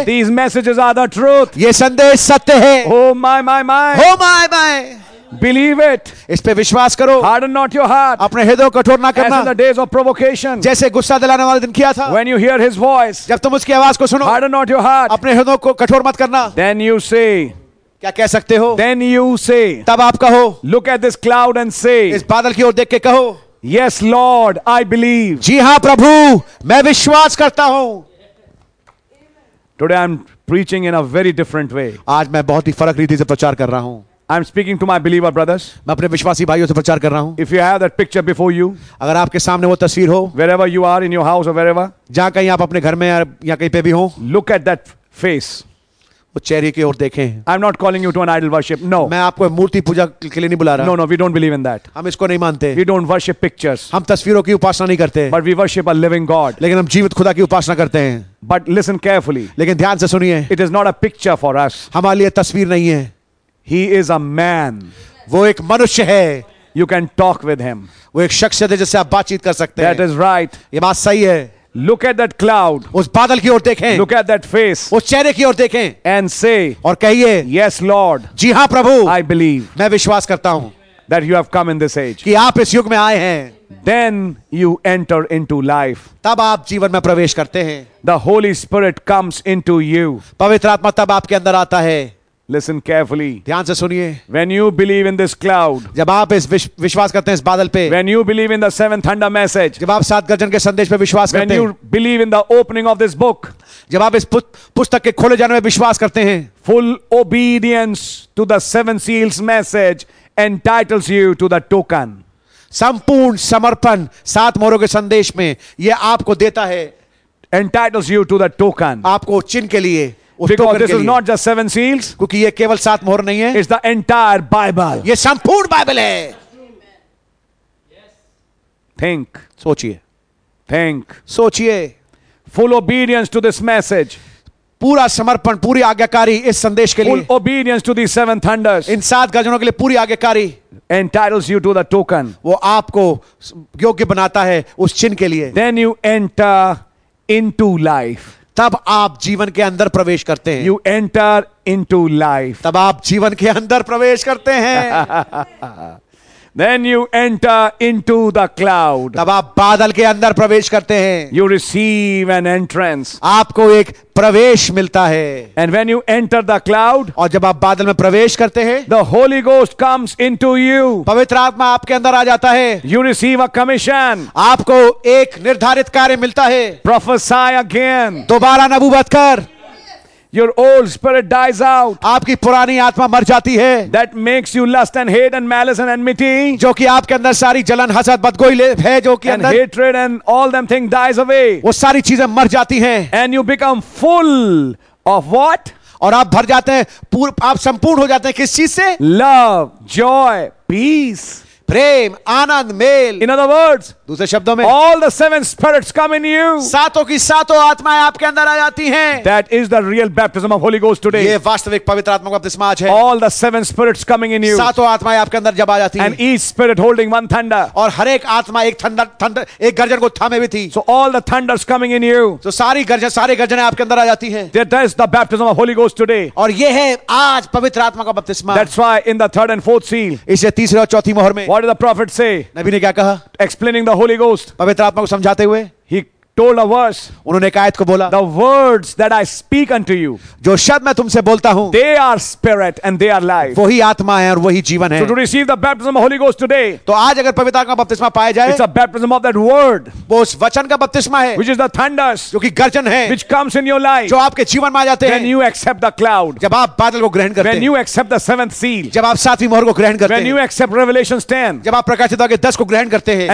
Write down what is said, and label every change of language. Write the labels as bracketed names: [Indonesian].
[English] These messages are the truth. [Hindi] ये संदेश सत्य है. [English] Oh my, my, my. Oh my, my. Believe it. [Hindi] इस पे विश्वास करो. [English] Harden not your heart. [Hindi] अपने हृदय कठोर ना करना. [English] As in the days of provocation. [Hindi] जैसे गुस्सा दिलाने वाले दिन किया था. [English] When you hear his voice. [Hindi] जब तुम उसकी आवाज को सुनो. [English] Harden not your heart. [Hindi] अपने हृदय को कठोर मत करना. [English] Then you say. [Hindi] क्या कह सकते हो? [English] Then you say. [Hindi] तब आप कहो. [English] Look at this cloud and say. [Hindi] इस बादल की ओर देख के कहो. [English] Yes, Lord, I believe. [Hindi] जी हाँ प्रभु, मैं विश्वास करता हूँ. [English] Today I'm preaching in a very different way. [Hindi] आज मैं बहुत ही फर्क रीति से प्रचार कर रहा हूँ. [English] I'm speaking to my believer brothers. [Hindi] मैं अपने विश्वासी भाइयों से प्रचार कर रहा हूँ. [English] If you have that picture before you, [Hindi] अगर आपके सामने वो तस्वीर हो, [English] wherever you are in your house or wherever, [Hindi] जहाँ कहीं आप अपने घर में या कहीं पे भी हो, [English] look at that face. [Hindi] वो चेहरे की ओर देखें. [English] I'm not calling you to an idol worship. No. [Hindi] मैं आपको मूर्ति पूजा के लिए नहीं बुला रहा. [English] No, we don't believe in that. [Hindi] हम इसको नहीं मानते. [English] We don't worship pictures. [Hindi] हम तस्वीरों की उपासना नहीं करते. [English] But we worship a living God. [Hindi] लेकिन हम जीवित खुदा की उपासना करते हैं. [English] But listen carefully. [Hindi] लेकिन ध्यान से सुनिए. [English] It is not a picture for us. [Hindi] हमारे लिए तस्वीर नहीं है. [English] He is a man. [Hindi] वो एक मनुष्य है. [English] You can talk with him. [Hindi] वो एक शख्सियत है जिससे आप बातचीत कर सकते हैं. [English] That is right. [Hindi] ये बात सही है. [English] Look at that cloud. [Hindi] उस बादल की ओर देखें. [English] Look at that face. [Hindi] उस चेहरे की ओर देखें. [English] And say. [Hindi] और कहिए. [English] Yes, Lord. [Hindi] जी हाँ प्रभु. [English] I believe. [Hindi] मैं विश्वास करता हूँ. [English] That you have come in this age. [Hindi] कि आप इस युग में आए हैं. [English] Then you enter into life. [Hindi] तब आप जीवन में प्रवेश करते हैं. [English] The Holy Spirit comes into you. [Hindi] पवित्र आत्मा तब आपके अंदर आता है. [English] Listen carefully. [Hindi] ध्यान से सुनिए. [English] When you believe in this cloud, [Hindi] जब आप इस विश्वास करते हैं इस बादल पे. [English] When you believe in the seven thunder message, [Hindi] जब आप सात गर्जन के संदेश पे विश्वास करते हैं. [English] When you believe in the opening of this book, [Hindi] जब आप इस पुस्तक के खोले जाने में विश्वास करते हैं. [English] Full obedience to the seven seals message entitles you to the token. [Hindi] संपूर्ण समर्पण सात मोहरों के संदेश में ये आपको देता है. [English] Entitles you to the token. [Hindi] आपको चिन्ह के लिए. [English] Because this is not just seven seals. [Hindi] क्योंकि ये केवल सात मोहर नहीं है. [English] It's the entire Bible. [Hindi] ये संपूर्ण बाइबल है. [English] Think. [Hindi] सोचिए. [English] Think. [Hindi] सोचिए. [English] Full obedience to this message. [Hindi] पूरा समर्पण पूरी आज्ञाकारी इस संदेश के लिए. [English] Full obedience to these seven thunders. [Hindi] इन सात गर्जनों के लिए पूरी आज्ञाकारी. [English] Entitles you to the token. [Hindi] वो आपको योग्य बनाता है उस चिन्ह के लिए. [English] Then you enter into life. [Hindi] तब आप जीवन के अंदर प्रवेश करते हैं. [English] You enter into life. [Hindi] तब आप जीवन के अंदर प्रवेश करते हैं. [English] Then you enter into the cloud. [Hindi] तब आप बादल के अंदर प्रवेश करते हैं. [English] You receive an entrance. [Hindi] आपको एक प्रवेश मिलता है. [English] And when you enter the cloud, [Hindi] और जब आप बादल में प्रवेश करते हैं, [English] the Holy Ghost comes into you. [Hindi] पवित्र आत्मा आपके अंदर आ जाता है. [English] You receive a commission. [Hindi] आपको एक निर्धारित कार्य मिलता है. [English] Prophesy again. [Hindi] दोबारा नबूवत कर. [English] Your old spirit dies out. [Hindi] आपकी पुरानी आत्मा मर जाती है. [English] That makes you lust and hate and malice and enmity. [Hindi] जो कि आपके अंदर सारी जलन हसद बदगोई है जो कि अंदर. [English] And hatred and all them thing dies away. [Hindi] वो सारी चीजें मर जाती हैं. [English] And you become full of what? [Hindi] और आप भर जाते हैं आप संपूर्ण हो जाते हैं किस चीज से? [English] Love, joy, peace. [Hindi] Prem Anand mail. [English] In other words, [Hindi] दूसरे शब्दों में, [English] all the seven spirits come in you. [Hindi] सातों की सातों आत्माएं आपके अंदर आ जाती हैं. [English] That is the real baptism of Holy Ghost today. [Hindi] ये वास्तविक पवित्र आत्मा का बपतिस्मा आज है. [English] All the seven spirits coming in you. [Hindi] सातों आत्माएं आपके अंदर जब आ जाती हैं. [English] And each spirit holding one thunder. [Hindi] और हर एक आत्मा एक थंडर थंडर एक गर्जन को थामे हुई थी. [English] So all the thunders coming in you. [Hindi] तो सारी गर्जन आपके अंदर आ जाती हैं. [English] That is the baptism of Holy Ghost today. [Hindi] और ये है आज पवित्र आत्मा का बपतिस्मा. [English] That's why in the third and fourth seal. [Hindi] इसे तीसरे और चौथी मोहर में. [English] What did the prophet say? [Hindi] नबी ने क्या कहा? [English] Explaining the Holy Ghost. [Hindi] पवित्र आत्मा को समझाते हुए. [English] He told a verse. [Hindi] उन्होंने एक आयत को बोला. [English] The words that I speak unto you. [Hindi] जो शब्द मैं तुमसे बोलता हूँ. [English] They are spirit and they are life. [Hindi] वही आत्मा है और वही जीवन है. [English] So to receive the baptism of Holy Ghost today. [Hindi] तो आज अगर पवित्र आत्मा का बपतिस्मा पाया जाए. [English] It's a baptism of that word. [Hindi] वो उस वचन का बपतिस्मा है. [English] Which is the thunders. [Hindi] जो कि गर्जन है. [English] Which comes in your life. [Hindi] जो आपके जीवन में आ जाते हैं. [English] When you accept the cloud. [Hindi] जब आप बादल को ग्रहण करते हैं. [English] When you accept the seventh seal. [Hindi] जब आप सातवीं मोहर को ग्रहण करते हैं. [English] When you accept Revelation 10. [Hindi] जब आप प्रकाशित वाक्य 10 को ग्रहण करते हैं.